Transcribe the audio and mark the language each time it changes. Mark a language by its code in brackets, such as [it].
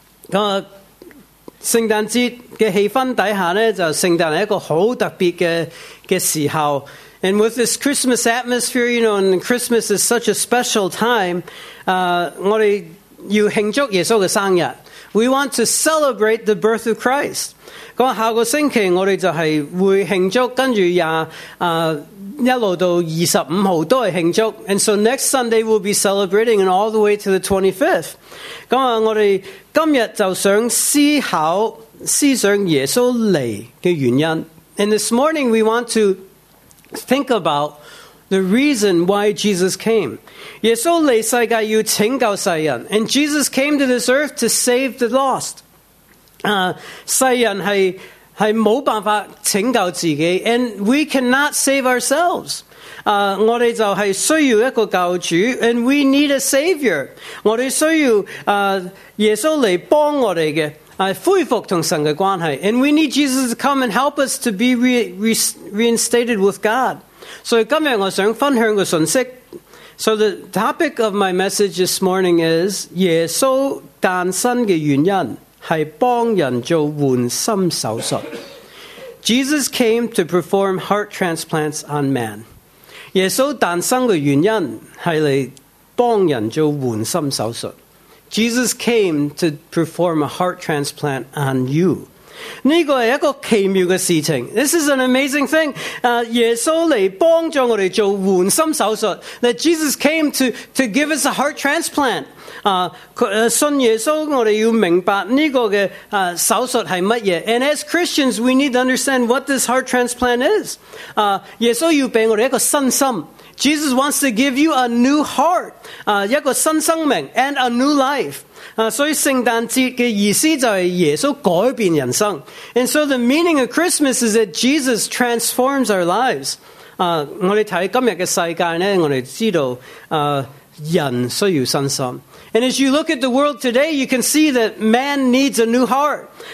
[yue] 圣诞节嘅气氛底下咧，就圣诞系一个好特别嘅时候。 [en] And with this Christmas atmosphere, you know, and Christmas is such a special time, we [yue] 要庆祝耶稣嘅生日。 [en] We want to celebrate the birth of Christ. [yue] 嗰下个星期我哋就系会庆祝，跟住一路到25号都系庆祝。 [en] And so next Sunday we'll be celebrating, and all the way to the 25th. [yue] 咁啊，我哋今日就想思想耶稣嚟嘅原因。 [en] And this morning we want to think about the reason why Jesus came. [yue] 耶稣嚟世界要拯救世人。 [en] And Jesus came to this earth to save the lost. [yue] 世人系冇办法拯救自己。 [en] And we cannot save ourselves. [yue] 我哋就系需要一个救主。 [en] And we need a savior. [yue] 我哋需要耶稣嚟帮我哋嘅。恢复同神嘅关系。 [en] And we need Jesus to come and help us to be reinstated with God. [yue] So 今日我想分享个信息。 [en] So the topic of my message this morning is [yue] 耶稣诞生嘅原因系帮人做换心手术。 [en] Jesus came to perform heart transplants on man. [yue] 耶稣诞生嘅原因系嚟帮人做换心手术。 [en] Jesus came to perform a heart transplant on you. [yue] 呢个系一个奇妙嘅事情。 [en] This is an amazing thing. [yue] 耶稣嚟帮助我哋做换心手术。 [en] That Jesus came to give us a heart transplant. [yue] 信耶稣，我哋要明白呢个嘅手术系乜嘢。 [en] And as Christians, we need to understand what this heart transplant is. [yue] 耶稣要俾我哋一个新心。 [en] Jesus wants to give you a new heart, [yue] 一个新生命 [en] and a new life. [yue] 所以圣诞节的意思就是耶稣改变人生。 [en] And so the meaning of Christmas is that Jesus transforms our lives. [yue] 我们看今天的世界呢，我们知道人需要新心。 [en] And as you look at the world today, you can see that man needs a new heart.